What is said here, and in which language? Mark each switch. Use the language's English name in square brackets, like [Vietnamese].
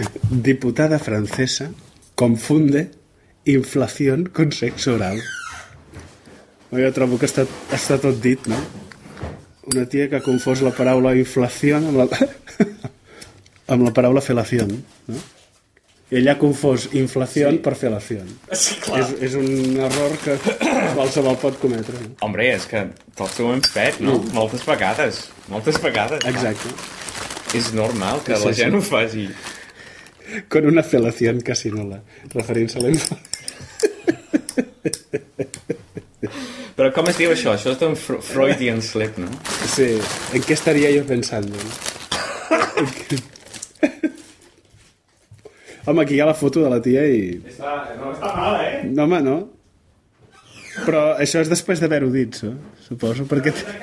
[Spanish] Diputada francesa confunde inflación con sexo oral. [Catalan] Jo trobo que està tot dit, no? Una tia que confós la paraula inflación amb la paraula felación, no? I ella confós inflación, sí, per felación. Sí, clar. És un error que qualsevol pot cometre. Hombre, és que tots ho hem fet, no? Moltes vegades. Exacte. És normal que la gent ho faci. [Spanish] Con una felación casi nula, [Catalan] referint-se a l'inflación. Però com es diu això? Això és d'un Freudian slip, no? Sí. En què estaria jo pensant? No? Home, aquí hi ha la foto de la tia i... No està mal, eh? No, home, no. Però això és després d'haver-ho dit, suposo, perquè...